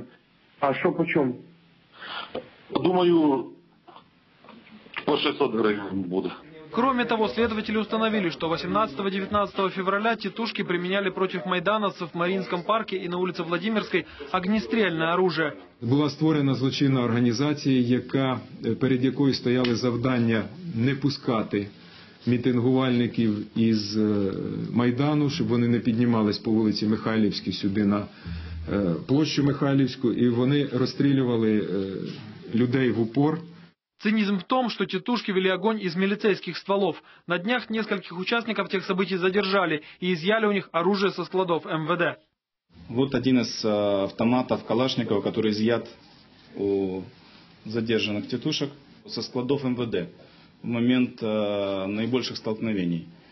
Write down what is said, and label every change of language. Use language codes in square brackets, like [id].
[ru] Понял. А что почем? Думаю, по 600 гривен будет. Кроме того, следователи установили, что 18-19 февраля тетушки применяли против майдановцев в Мариинском парке и на улице Владимирской огнестрельное оружие. [uk] Була створена злочинна організація, яка, перед якою стояли завдання не пускати мітингувальників із Майдану, щоб вони не піднімались по вулиці Михайлівській сюди на площу Михайлівську, і вони розстрілювали людей в упор. [ru] Цинизм в том, что тетушки вели огонь из милицейских стволов. На днях нескольких участников тех событий задержали и изъяли у них оружие со складов МВД. Вот один из автоматов Калашникова, который изъят у задержанных тетушек со складов МВД в момент наибольших столкновений.